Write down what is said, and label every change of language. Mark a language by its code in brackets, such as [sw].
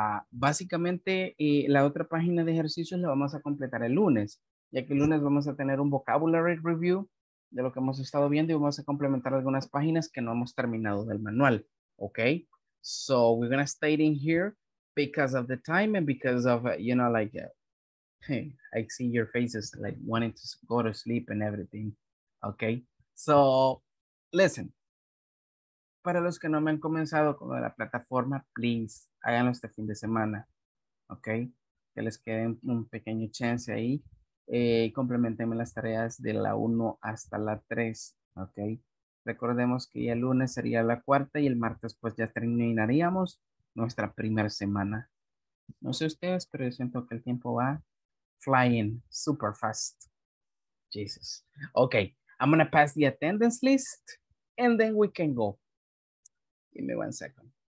[es] Básicamente, la otra página de ejercicios la vamos a completar el lunes, ya que el lunes vamos a tener un [en] vocabulary review [es] de lo que hemos estado viendo y vamos a complementar algunas páginas que no hemos terminado del manual, okay? [en] So we're going to stay in here because of the time and because of, you know, like, hey, I see your faces like wanting to go to sleep and everything, okay? So listen, [es] para los que no me han comenzado con la plataforma, please, háganlo este fin de semana, okay? Que les quede un pequeño chance ahí. Complementenme las tareas de la 1 hasta la 3, ¿ok? Recordemos que ya el lunes sería la cuarta y el martes pues ya terminaríamos nuestra primera semana. No sé ustedes, pero yo siento que el tiempo va [en] flying super fast. [es] Jesus. [en] Ok, I'm going to pass the attendance list and then we can go. Give me 1 second.